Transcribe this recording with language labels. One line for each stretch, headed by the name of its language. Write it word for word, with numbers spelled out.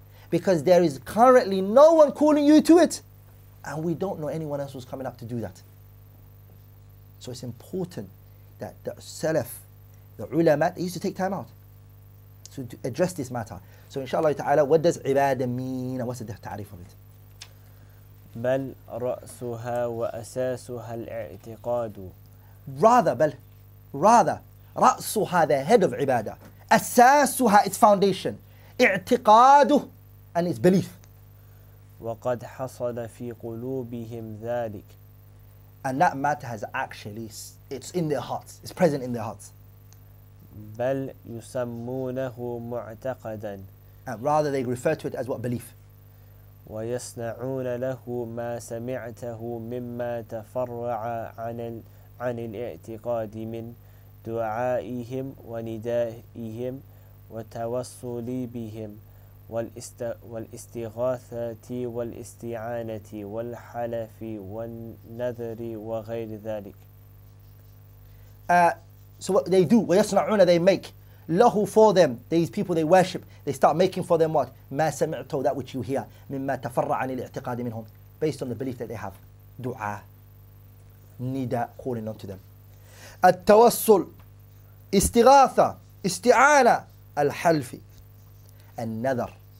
English: Because there is currently no one calling you to it. And we don't know anyone else who's coming up to do that. So it's important that the Salaf, the ulama, they used to take time out to address this matter. So inshallah ta'ala, what does ibadah mean and what's the ta'rif of it?
Arabic: بل رأسها وأساسها الاعتقاد.
English: Rather, bal, rather, رأسها, the head of ibadah. أساسها, its foundation. اعتقاده, and its belief.
Arabic: وقد حصل في قلوبهم ذلك.
English: And that matter has actually, it's in their hearts. It's present in their hearts.
Arabic: بل يسمونه معتقدا.
English: And rather they refer to it as what? Belief.
Arabic: ويصنعون له ما سمعته مما تفرع عن عن الاعتقاد من دعائهم وندائهم والتوسل بهم والاستغاثة والاستعانة والحلف والنذر وغير ذلك.
English: Uh, so what they do, ويصنعون, they make, lahu, for them, these people they worship, they start making for them what?
Arabic: ما سمعتو,
English: that which you hear,
Arabic: مما تفرع عن الاعتقاد منهم,
English: based on the belief that they have.
Arabic: دعاء, nida,
English: calling on to them.
Arabic: التوسل, استغاثة, استعانة, الحلف, النذر.